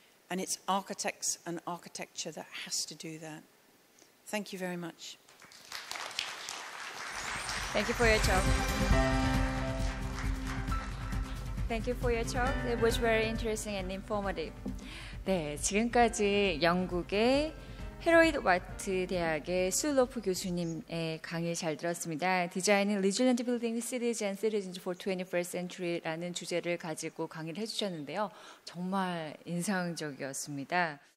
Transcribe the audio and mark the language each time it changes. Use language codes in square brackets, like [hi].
[en] And it's architects and architecture that has to do that. Thank you very much. Thank you for your talk. Thank you for your talk. It was very interesting and informative. [ko] 네, 지금까지 영국의 헤로이드 와트 대학의 술로프 교수님의 강의 잘 들었습니다. 디자인은 Resilient Building Cities and Citizens for 21st Century라는 주제를 가지고 강의를 해주셨는데요. 정말 인상적이었습니다.